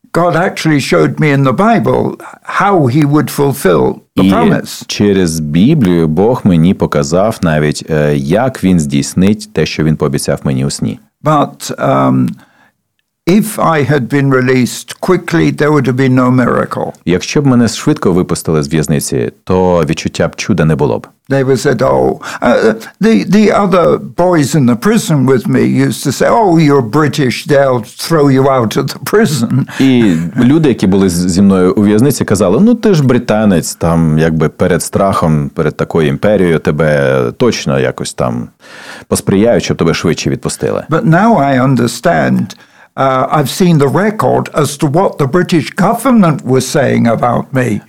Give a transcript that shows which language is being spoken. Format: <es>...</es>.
<en>God actually showed me in the Bible how he would fulfill the promise.</en> <uk>І через Біблію Бог мені показав навіть, як він здійснить те, що він пообіцяв мені у сні.</uk> <en>But if I had been released quickly, there would have been no miracle.</en> <uk>Якщо б мене швидко випустили з в'язниці, то відчуття б чуда не було б.</uk> <en>They would say, oh, the other boys in the prison with me used to say, oh, you're British, they'll throw you out of the prison.</en> <uk>І люди, які були зі мною у в'язниці, казали, ну ти ж британець, там якби перед страхом, перед такою імперією, тебе точно якось там посприяють, щоб тебе швидше відпустили.</uk> <en>But now I understand. I've seen the record as to what the British government was saying about me.</en>